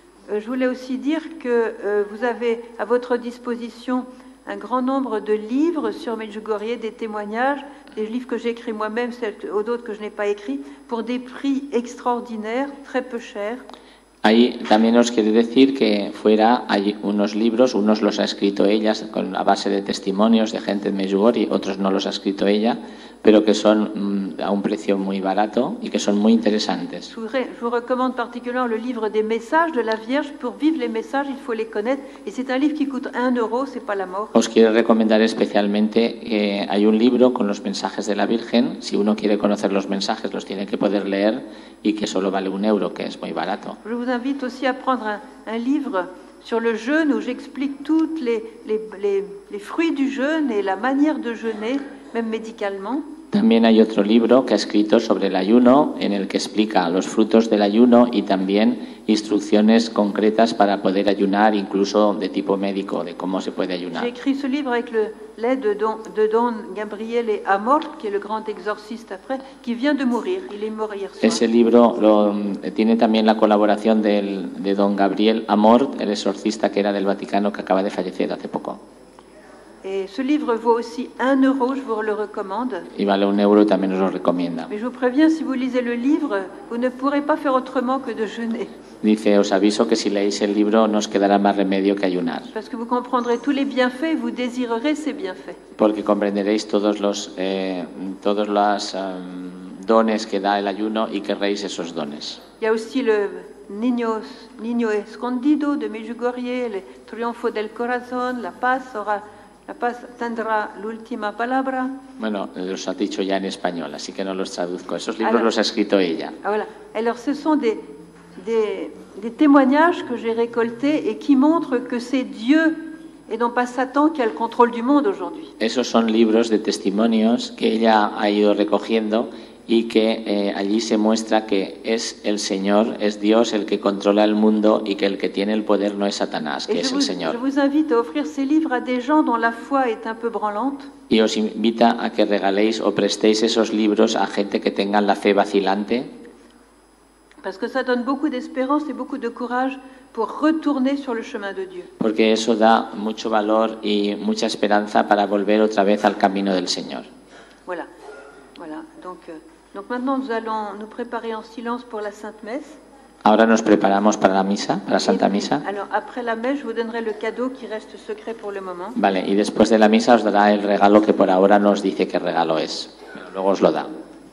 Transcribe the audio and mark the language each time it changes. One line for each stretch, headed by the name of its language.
French: Je voulais aussi dire que vous avez à votre disposition un grand nombre de livres sur Medjugorje, des témoignages, des livres que j'ai écrits moi-même, ou d'autres que je n'ai pas écrits, pour des prix extraordinaires, très peu chers.
Spanish: Ahí también os quiero decir que fuera hay unos libros, unos los ha escrito ella a base de testimonios de gente de Medjugorje, otros no los ha escrito ella, pero que son a un precio muy barato y que son muy interesantes.
French: Je vous recommande particulièrement le livre des messages de la Vierge. Pour vivre les messages, il faut les connaître. Et c'est un livre qui coûte 1 euro, c'est pas la mort.
Spanish: Os quiero recomendar especialmente que hay un libro con los mensajes de la Virgen. Si uno quiere conocer los mensajes, los tiene que poder leer y que solo vale 1 euro, que es muy barato.
French: Je vous invite aussi à prendre un livre sur le jeûne où j'explique toutes les fruits du jeûne et la manière de jeûner, même médicalement.
Spanish: También hay otro libro que ha escrito sobre el ayuno en el que explica los frutos del ayuno y también instrucciones concretas para poder ayunar, incluso de tipo médico, de cómo se puede ayunar.
French: J'ai écrit ce livre avec l'aide de Don Gabriel Amor, qui est le grand exorciste après, qui vient de mourir. Il est mort hier soir.
Spanish: Ese libro tiene también la colaboración de Don Gabriel Amor, el exorcista que era del Vaticano, que acaba de fallecer hace poco.
French: Et ce livre vaut aussi 1 euro, je vous le recommande.
Spanish: Y vale 1 euro, también os lo recomienda.
French: Mais je vous préviens, si vous lisez le livre, vous ne pourrez pas faire autrement que de jeûner.
Spanish: Dice, os aviso que si leéis el libro, no os quedará más remedio que ayunar.
French: Parce que vous comprendrez tous les bienfaits, vous désirerez ces bienfaits.
Spanish: Porque comprenderéis todos los dones que da el ayuno y querréis esos dones.
French: Il y a aussi le Niño Escondido de Medjugorje, le Triunfo del Corazón, la Paz sera...
Spanish: La paz tendrá la última palabra. Bueno, los ha dicho ya en español, así que no los traduzco. Esos libros los ha escrito ella.
French: Voilà. Alors, ce sont des témoignages que j'ai récoltés et qui montrent que c'est Dieu et non pas Satan qui a le contrôle du monde aujourd'hui.
Spanish: Esos son libros de testimonios que ella ha ido recogiendo y que allí se muestra que es el Señor, es Dios el que controla el mundo y que el que tiene el poder no es Satanás, que es el Señor.
French: Je vous invite à offrir ces livres à des gens dont la foi est un peu branlante.
Spanish: Y os invita a que regaléis o prestéis esos libros a gente que tenga la fe vacilante.
French: Parce que ça donne beaucoup d'espérance et beaucoup de courage pour retourner sur le chemin de Dieu.
Spanish: Porque eso da mucho valor y mucha esperanza para volver otra vez al camino del Señor.
French: Voilà. Voilà. Donc maintenant nous allons nous préparer en silence pour la Sainte Messe.
Spanish: Ahora nos preparamos para la misa, para la Santa Misa.
French: Alors après la messe, je vous donnerai le cadeau qui reste secret pour le moment.
Spanish: Vale, y después de la misa os dará el regalo que por ahora no os dice qué regalo es, pero luego os lo da.